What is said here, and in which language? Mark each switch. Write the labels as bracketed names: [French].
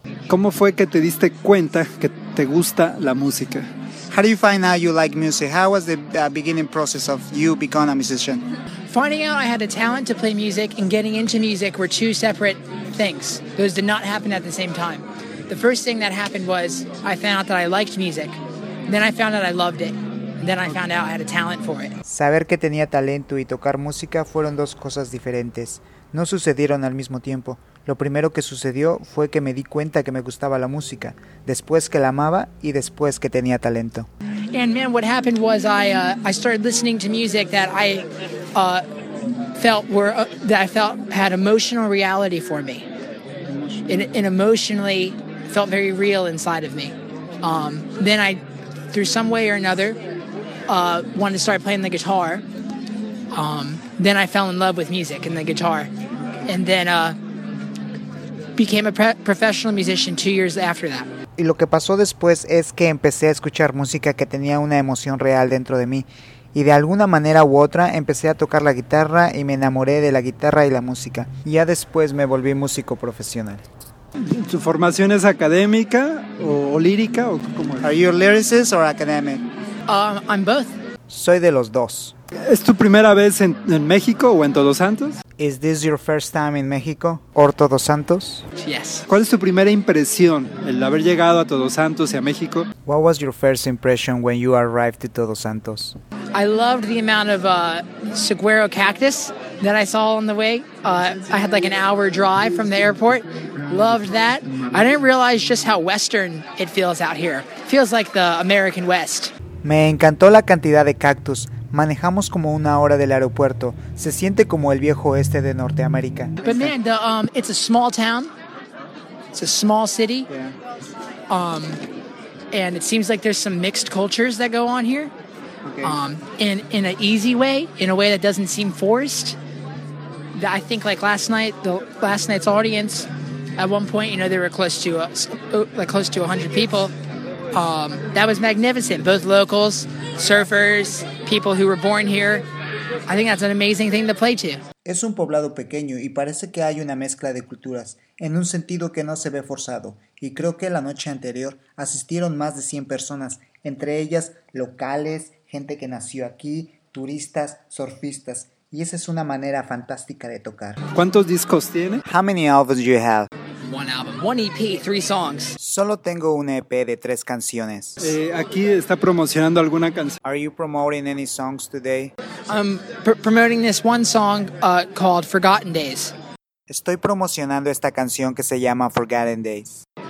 [Spanish] ¿Cómo fue que te diste cuenta que te gusta la música? [English] How do you find out you like music? How was the beginning process of you becoming a musician? Finding out I had a talent to play music and getting into music were two separate things. Those did not happen at the same time. The first thing that happened was I found out that I liked music. Then I found out I loved it. Then I found out I had a talent for it. [Spanish] Saber que tenía talento y tocar música fueron dos cosas diferentes. No sucedieron al mismo tiempo. Lo primero que sucedió fue que me di cuenta que me gustaba la música, después que la amaba y después que tenía talento. [English] And man, what happened was I started listening to music that I felt had emotional reality for me. It emotionally felt very real inside of me. Then I, through some way or another, wanted to start playing the guitar. Then I fell in love with music and the guitar. And then became a professional musician 2 years after that. [Spanish] Y lo que pasó después es que empecé a escuchar música que tenía una emoción real dentro de mí. Y de alguna manera u otra empecé a tocar la guitarra y me enamoré de la guitarra y la música. Y ya después me volví músico profesional. ¿Tu formación es académica o lírica o cómo es? [English] Are you a lyricist or academic? I'm both. [Spanish] Soy de los dos. ¿Es tu primera vez en México o en Todos Santos? [English] Is this your first time in Mexico or Todos Santos? Yes. [Spanish] ¿Cuál es tu primera impresión el haber llegado a Todos Santos y a México? [English] What was your first impression when you arrived to Todos Santos? I loved the amount of saguaro cactus that I saw on the way. I had like an hour drive from the airport. Loved that. I didn't realize just how western it feels out here. Feels like the American West. [Spanish] Me encantó la cantidad de cactus. Manejamos como una hora del aeropuerto. Se siente como el viejo oeste de Norteamérica. [English] But man, it's a small town. It's a small city. Yeah. And it seems like there's some mixed cultures that go on here. Okay. In an easy way, in a way that doesn't seem forced. I think like last night's audience, at one point, you know, they were close to 100 people. That was magnificent. Both locals, surfers, people who were born here. I think that's an amazing thing to play to. [Spanish] Es un poblado pequeño y parece que hay una mezcla de culturas, en un sentido que no se ve forzado. Y creo que la noche anterior asistieron más de 100 personas, entre ellas locales, gente que nació aquí, turistas, surfistas. Y esa es una manera fantástica de tocar. ¿Cuántos discos tiene? [English] How many albums do you have? One album, one EP, three songs. [Spanish] Solo tengo un EP de tres canciones. Aquí está promocionando alguna canción. [English] Are you promoting any songs today? I'm promoting this one song called Forgotten Days. [Spanish] Estoy promocionando esta canción que se llama Forgotten Days.